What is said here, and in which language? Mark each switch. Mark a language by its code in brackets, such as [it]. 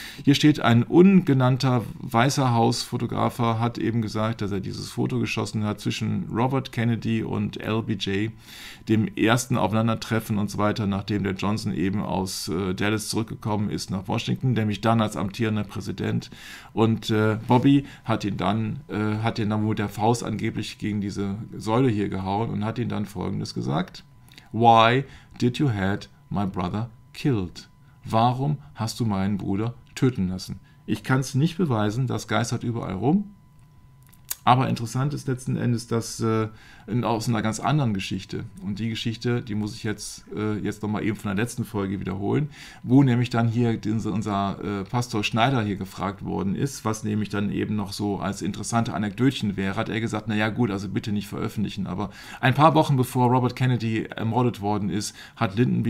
[de] Hier steht ein ungenannter Weißer Haus-Fotografer, hat eben gesagt, dass er dieses Foto geschossen hat zwischen Robert Kennedy und LBJ, dem ersten Aufeinandertreffen und so weiter, nachdem der Johnson eben aus Dallas zurückgekommen ist nach Washington, nämlich dann als amtierender Präsident. Und Bobby hat ihn dann mit der Faust angeblich gegen diese Säule hier gehauen und hat ihn dann Folgendes gesagt. [en] Why did you had my brother killed? [de] Warum hast du meinen Bruder töten lassen? Ich kann es nicht beweisen, das geistert überall rum. Aber interessant ist letzten Endes, dass aus einer ganz anderen Geschichte, und die Geschichte, die muss ich jetzt nochmal eben von der letzten Folge wiederholen, wo nämlich dann hier unser Pastor Schneider hier gefragt worden ist, was nämlich dann eben noch so als interessante Anekdötchen wäre, hat er gesagt, naja gut, also bitte nicht veröffentlichen, aber ein paar Wochen bevor Robert Kennedy ermordet worden ist, hat Lyndon B.